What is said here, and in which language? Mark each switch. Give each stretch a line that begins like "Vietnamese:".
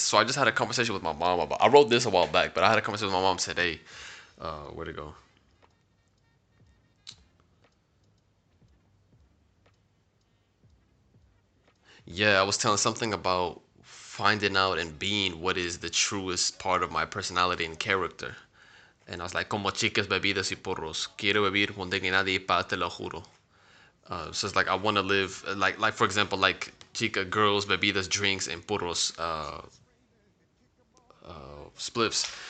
English: So I just had a conversation with my mom about, I wrote this a while back, but I had a conversation with my mom today. Where'd it go? Yeah, I was telling something about finding out and being what is the truest part of my personality and character. And I was like,
Spanish: como chicas, bebidas y porros. Quiero vivir con dignidad y paz, te lo juro.
English: So it's like, I want to live, like for example, like chica, girls, bebidas, drinks, and porros, spliffs.